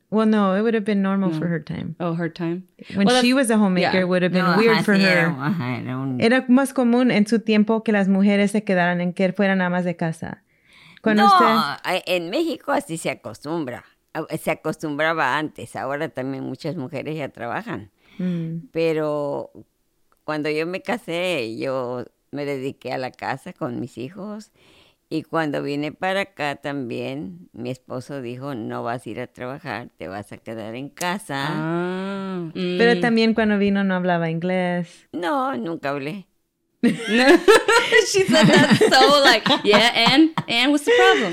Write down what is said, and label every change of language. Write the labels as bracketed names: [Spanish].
[English] Well, no, it would have been normal for her time. Oh, her time? When she was a homemaker, yeah. It would have been weird for her. [Spanish] Era más común en su tiempo que las mujeres se quedaran en que fueran amas de casa. En México así se acostumbra. Se acostumbraba antes. Ahora también muchas mujeres ya trabajan. Mm. Pero cuando yo me casé, yo me dediqué a la casa con mis hijos. Y cuando vine para acá también, mi esposo dijo, no vas a ir a trabajar, te vas a quedar en casa. Ah, pero también cuando vino no hablaba inglés. No, nunca hablé. [English] She said that so like, yeah, and what's the problem?